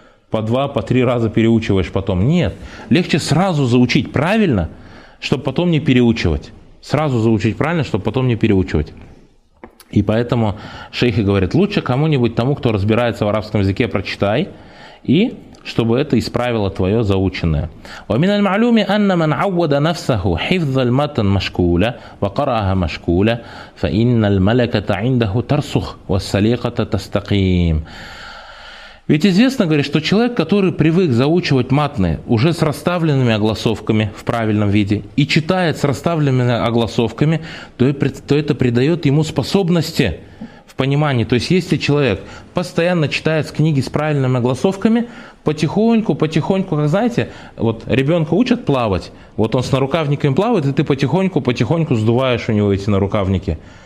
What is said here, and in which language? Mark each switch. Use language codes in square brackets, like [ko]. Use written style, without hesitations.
[ru] По два, по три раза переучиваешь потом. Нет, легче сразу заучить правильно, чтобы потом не переучивать. Сразу заучить правильно, чтобы потом не переучивать. И поэтому шейхи говорят, лучше кому-нибудь, тому, кто разбирается в арабском языке, прочитай. И чтобы это исправило твое заученное. [ar] ومن المعلوم أن من عود نفسه حفظ المتن مشكولة وقرأها مشكولة فإن الملكة عنده ترسخ والسليقة تستقيم. [ru] Ведь известно, говорит, что человек, который привык заучивать матны уже с расставленными огласовками в правильном виде и читает с расставленными огласовками, то это придает ему способности в понимании. То есть если человек постоянно читает книги с правильными огласовками, потихоньку, как знаете, вот ребенка учат плавать, вот он с нарукавниками плавает, и ты потихоньку сдуваешь у него эти нарукавники.